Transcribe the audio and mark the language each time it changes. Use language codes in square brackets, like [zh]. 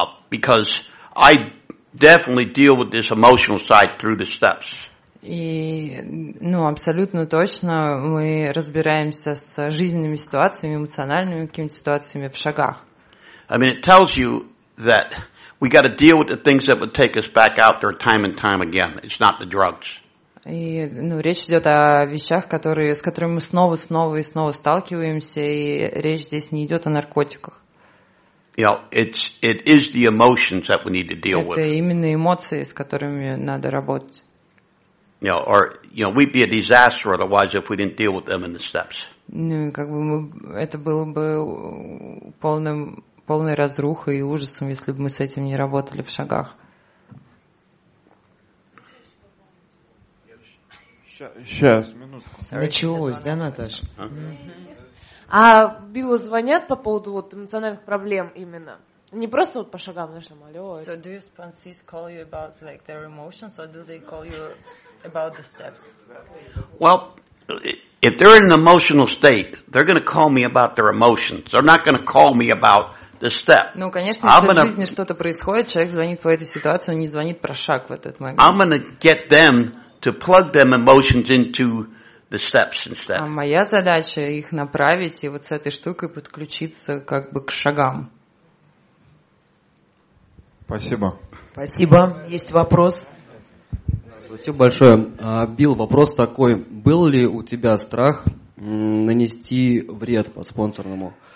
[en] Because I definitely deal with this emotional side through the steps. [ru] И, ну, абсолютно точно мы разбираемся с жизненными ситуациями, эмоциональными какими-то ситуациями в шагах. [en] I mean, it tells you that we got to deal with the things that would take us back out there time and time again. It's not the drugs. [ru] И, ну, речь идет о вещах, с которыми мы снова, снова и снова сталкиваемся, и речь здесь не идет о наркотиках. [en] You know, it is the emotions that we need to deal with. [ru] Это именно эмоции, с которыми надо работать. [en] You know, or you know, we'd be a disaster otherwise if we didn't deal with them in the steps. [ru] Ну, как бы мы, это было бы полной разрухой и ужасом, если бы мы с этим не работали в шагах. Сейчас, минутку. Началось, да, Наташа? А Биллу звонят по поводу вот эмоциональных проблем именно? Не просто вот по шагам, знаешь, алло. [en] So do your sponsees call you about like their emotions, or do they call you about the steps? Well, if they're in an emotional state, they're going to call me about their emotions. They're not going to call me about the step. [ru] Ну, конечно, если в жизни что-то происходит, человек звонит по этой ситуации, он не звонит про шаг в этот момент. [en] I'm going to get them to plug them emotions into the steps instead. [ru] А моя задача их направить и вот с этой штукой подключиться как бы к шагам. Спасибо. Спасибо. Есть вопрос? Спасибо большое. Билл, вопрос такой. Был ли у тебя страх нанести вред по-спонсорному?